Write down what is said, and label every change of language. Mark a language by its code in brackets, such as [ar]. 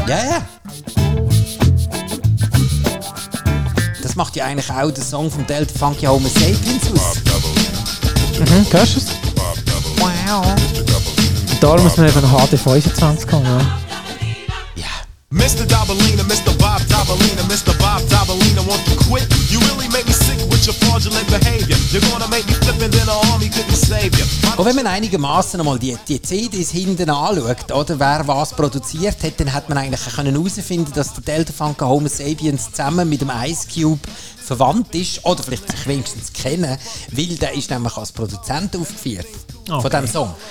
[de] Ja, ja. Das macht ja eigentlich auch den Song von Delta Funky Homo Sapiens aus. Mhm, hörst du es? Wow. Darum muss man eben einen HD 25 haben, ja. [en] Mr. Dabalina, Mr. Bob Dabalina, Mr. Bob Dabalina, won't you quit? You really make me sick with your fraudulent behavior. You're gonna make me flip and then an army couldn't save you. [de] Und wenn man einigermaßen einmal die CDs hinten anschaut, oder wer was produziert hat, dann hätte man eigentlich herausfinden, dass der Delta Funk Homo Sapiens zusammen mit dem Ice Cube verwandt ist, oder vielleicht sich wenigstens kennen, weil der ist nämlich als Produzent aufgeführt, okay, von diesem Song.